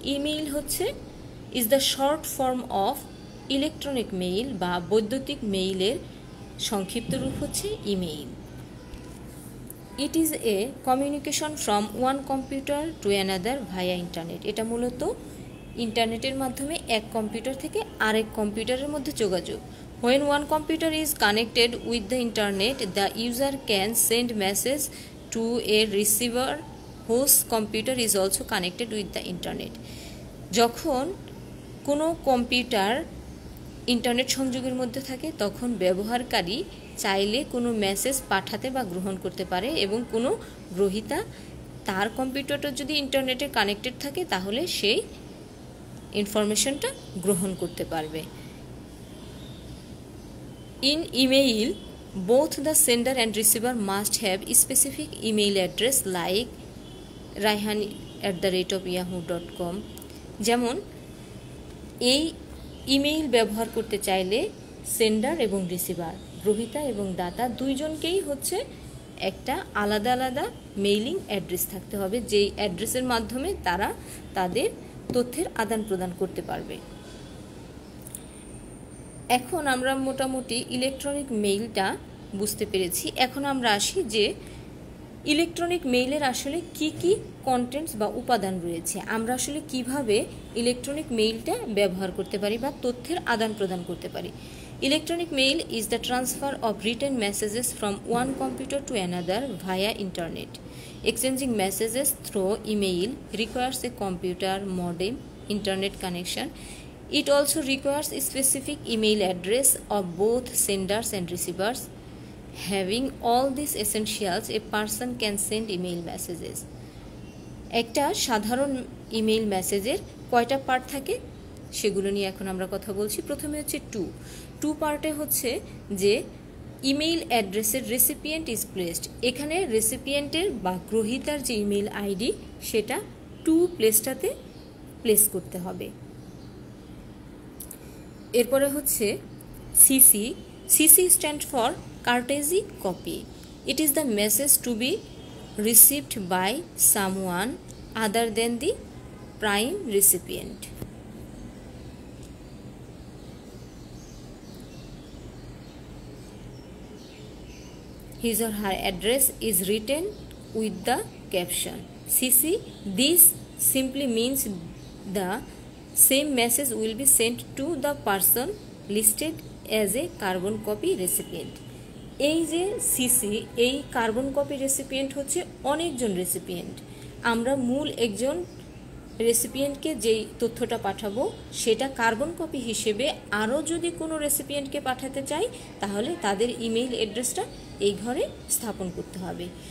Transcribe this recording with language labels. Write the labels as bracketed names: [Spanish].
[Bangla] Email হচ্ছে [English] is the short form of electronic mail [Bangla] বা বৈদ্যুতিক মেইলের সংক্ষিপ্ত রূপ হচ্ছে email. [English] It is a communication from one computer to another via internet. [Bangla] এটা মূলত ইন্টারনেটের মাধ্যমে এক কম্পিউটার থেকে আরেক কম্পিউটারের মধ্যে যোগাযোগ। [English] When one computer is connected with the internet, the user can send message to a receiver whose computer is also connected with the internet. [Bangla] যখন কোনো কম্পিউটার ইন্টারনেট সংযোগের মধ্যে থাকে তখন ব্যবহারকারী চাইলে কোনো মেসেজ পাঠাতে বা গ্রহণ করতে পারে, এবং কোনো গ্রহীতা তার কম্পিউটারটা যদি ইন্টারনেটে কানেক্টেড থাকে তাহলে সেই ইনফরমেশনটা গ্রহণ করতে পারবে। [English] In email, both the sender and receiver must have specific email address like raihan@yahoo.com. [Bangla] যেমন এই ইমেইল ব্যবহার করতে চাইলে সেন্ডার এবং রিসিভার, গ্রহীতা এবং দাতা দুইজনকেই হচ্ছে একটা আলাদা আলাদা মেইলিং অ্যাড্রেস থাকতে হবে, যেই অ্যাড্রেসের মাধ্যমে তারা তাদের তথ্যের আদান প্রদান করতে পারবে। এখন আমরা মোটামুটি ইলেকট্রনিক মেইলটা বুঝতে পেরেছি। এখন আমরা আসি যে ইলেকট্রনিক মেইলের আসলে কী কী কন্টেন্টস বা উপাদান রয়েছে, আমরা আসলে কীভাবে ইলেকট্রনিক মেইলটা ব্যবহার করতে পারি বা তথ্যের আদান প্রদান করতে পারি। [English] Electronic mail is the transfer of written messages from one computer to another via internet. Exchanging messages through email requires a computer, modem, internet connection. It also requires a specific email address of both senders and receivers. Having all these essentials, a person can send email messages. [Bangla] একটা সাধারণ email মেসেজের কয়টা part থাকে সেগুলো নিয়ে এখন আমরা কথা বলছি। প্রথমে হচ্ছে টু পার্টে হচ্ছে যে ইমেইল অ্যাড্রেসের রেসিপিয়েন্ট [English] Is placed. [Bangla] এখানে রেসিপিয়েন্টের বা গ্রহীতার যে ইমেইল আইডি সেটা টু প্লেসটাতে প্লেস করতে হবে। এরপরে হচ্ছে CC. [English] CC stand for courtesy copy. It is the message to be received by someone other than the prime recipient. His or her address is written with the caption CC. This simply means the same message will be sent to the person listed as a carbon copy recipient. [Bangla] এই যে CC, এই carbon copy recipient হচ্ছে অনেকজন recipient. আমরা মূল একজন recipient কে যে তথ্যটা পাঠাবো সেটা কার্বন কপি হিসেবে আরো যদি কোনো রেসিপিয়েন্ট কে পাঠাতে চাই তাহলে তাদের ইমেইল অ্যাড্রেসটা এই ঘরে স্থাপন করতে হবে।